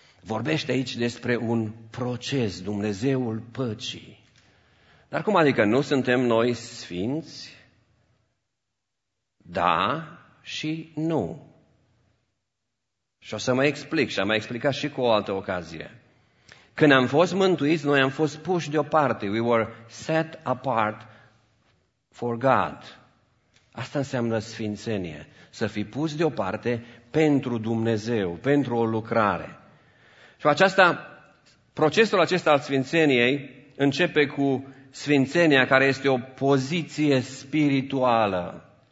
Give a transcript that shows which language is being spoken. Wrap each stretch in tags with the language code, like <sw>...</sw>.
<ro>Vorbește aici despre un proces, Dumnezeul păcii. Dar cum adică, nu suntem noi sfinți? Da și nu. Și o să mă explic, și am mai explicat și cu o altă ocazie. Când am fost mântuiți, noi am fost puși deoparte.</ro> <en>We were set apart for God.</en> <ro>Asta înseamnă sfințenie, să fii pus deoparte pentru Dumnezeu, pentru o lucrare. Și aceasta, procesul acesta al sfințeniei începe cu sfințenia, care este o poziție spirituală.</ro>